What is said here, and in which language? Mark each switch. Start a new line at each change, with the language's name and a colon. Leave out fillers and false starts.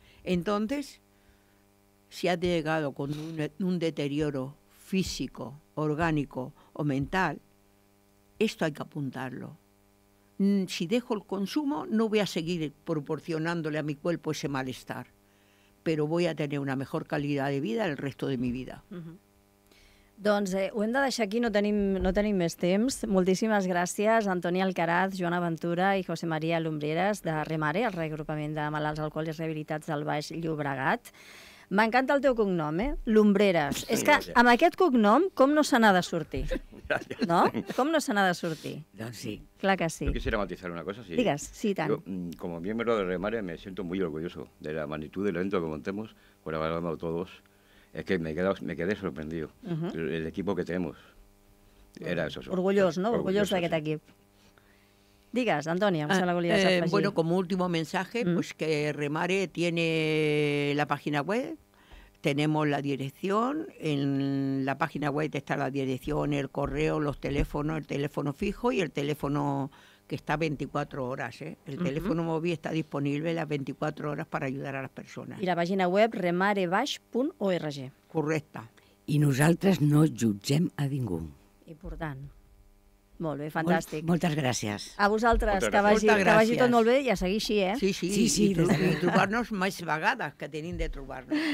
Spanish: Entonces, si has llegado con un deterioro físico, orgánico o mental, esto hay que apuntarlo. Si dejo el consumo, no voy a seguir proporcionándole a mi cuerpo ese malestar, però voy a tenir una mejor calidad de vida el resto de mi vida.
Catalan: Doncs ho hem de deixar aquí, no tenim més temps. Moltíssimes gràcies, Antoni Alcaraz, Joana Ventura i José María Lumbreras, de Remare, el reagrupament de malalts alcohòlics rehabilitats del Baix Llobregat. M'encanta el teu cognom, Lumbreras. És que amb aquest cognom, com no se n'ha de sortir? No? Com no se n'ha de sortir? Doncs sí. Clar que sí.
Spanish: Jo quisiera matizar una cosa, sí.
Catalan: Digues, sí, tant. Jo,
Spanish: como miembro de Remare, me siento muy orgulloso de la magnitud del evento que montemos, colaborando a todos. Es que me quedé sorprendido. El equipo que tenemos era eso.
Catalan: Orgullós, ¿no? Orgullós d'aquest equip. Digues, Antònia, se la volies afegir.
Spanish: Bueno, como último mensaje, pues que Remare tiene la página web, tenemos la dirección, en la página web está la dirección, el correo, los teléfonos, el teléfono fijo y el teléfono que está 24 horas. El teléfono móvil está disponible las 24 horas para ayudar a las personas.
Catalan: I la pàgina web remarebaix.org. Correcte. I nosaltres no jutgem a ningú. Important. Molt bé, fantàstic. Moltes gràcies. A vosaltres, que vagi tot molt bé i a seguir així, eh? Sí. I trobar-nos més vegades que tenim de trobar-nos.